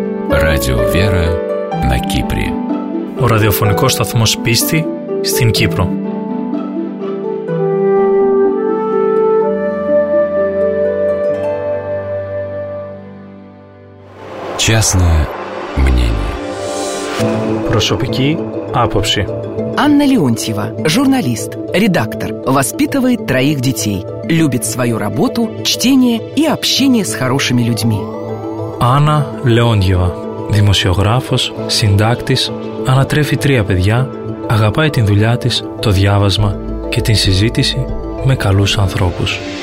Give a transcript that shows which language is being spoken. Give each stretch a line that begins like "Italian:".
Russian: Radio Vera на Кипре.
Greek: Ο ραδιοφωνικός σταθμός πίστη στην Κύπρο.
Russian: Частное мнение.
Greek: Прошопики апопши.
Russian: Анна Леонтьева, журналист, редактор, воспитывает троих детей, любит свою работу, чтение и общение с хорошими людьми.
Greek: Анна Леонтьева, δημοσιογράφος, συντάκτης, ανατρέφει τρία παιδιά, αγαπάει την δουλειά της, το διάβασμα και την συζήτηση με καλούς ανθρώπους.